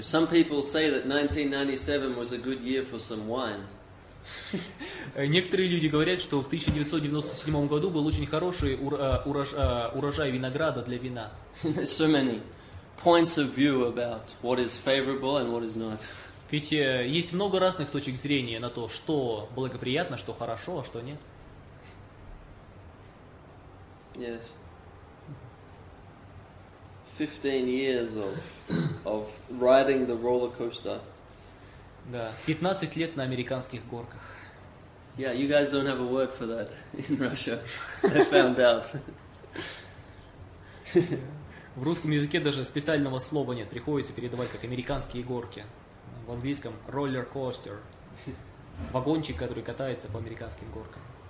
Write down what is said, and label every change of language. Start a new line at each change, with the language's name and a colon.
English: Some people say that 1997 was a good year for some wine.
Russian: Некоторые люди говорят, что в 1997 году был очень хороший урожай винограда для вина.
English: So many points of view about what is favorable and what is not.
Russian: Ведь есть много разных точек зрения на то, что благоприятно, что хорошо, а что нет.
English: Yes. 15 years of riding the roller coaster.
Russian: Да, 15 лет на американских горках.
English: Yeah, you guys don't have a word for that in Russia. I found out.
Russian: В русском языке даже специального слова нет, приходится передавать как американские горки. В английском
English: roller coaster.
Russian: Вагончик, который катается по американским горкам.